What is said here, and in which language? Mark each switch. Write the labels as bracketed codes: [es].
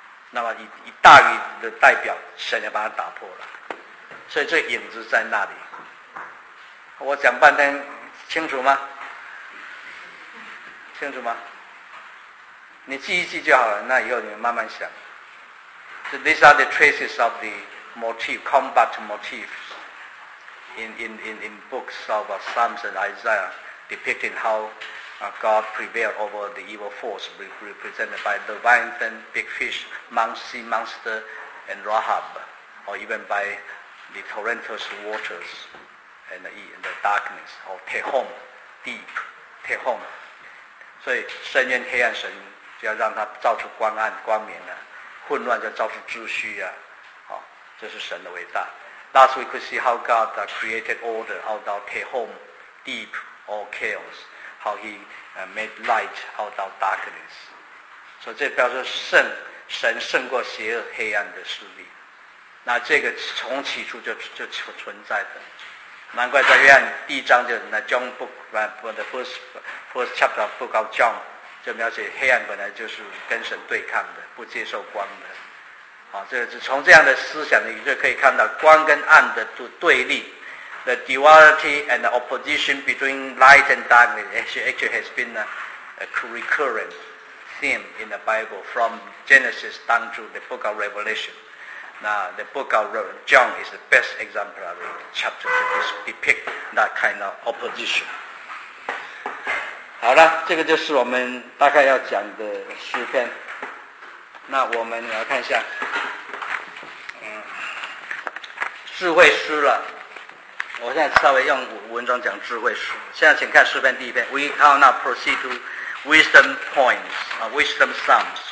[zh] 那么以大雨的代表，神也把它打破了。所以这影子在那里，我讲半天清楚吗？清楚吗？你记一记就好了，那以后你们慢慢想。 [en] So these are the traces of the motif, combat motifs in books of Psalms and Isaiah, depicting how God prevailed over the evil force represented by the leviathan, big fish, sea monster, and Rahab, or even by the torrential waters and the darkness, or Tehom, deep, Tehom. [zh] 所以深渊黑暗，神就要让它照出光暗光明啊，混乱就照出秩序啊，好，这是神的伟大。 [en] Last week we could see how God created order out of Tehom, deep or chaos, how he made light out of darkness. [zh] 所以这表示神胜过邪恶黑暗的势力。那这个从起初就存在的，难怪在约翰第一章就那 [en] John book the first chapter of book of John [zh] 就描写黑暗本来就是跟神对抗的，不接受光的。好，这是从这样的思想，你就可以看到光跟暗的对立 [en] ，the duality and the opposition between light and darkness actually has been a recurrent theme in the Bible from Genesis down to the book of Revelation. Now the book of John is the best example of it, chapter to depict that kind of opposition. [zh] 好了，这个就是我们大概要讲的诗篇。那我们来看一下，智慧诗了。我现在稍微用文章讲智慧诗。现在请看诗篇第一篇 [en] ，We shall now proceed to wisdom points, wisdom psalms。